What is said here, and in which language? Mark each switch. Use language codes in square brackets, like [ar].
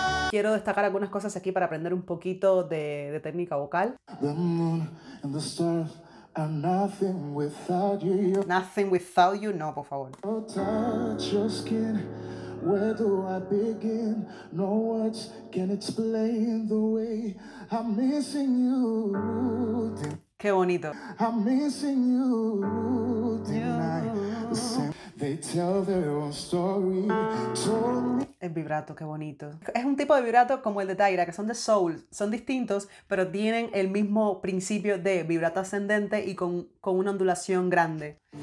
[es] Quiero destacar algunas cosas aquí para aprender un poquito de técnica vocal. [en] The moon and the stars are nothing without you. Nothing without you, [es] no, por favor. [en] Touch your skin. Where do I begin? No words can explain the way I'm missing you. [es] Qué bonito. [en] I'm missing you tonight. They tell their own story. [es] El vibrato, qué bonito. Es un tipo de vibrato como el de Tyra, que son de soul. Son distintos, pero tienen el mismo principio de vibrato ascendente y con una ondulación grande.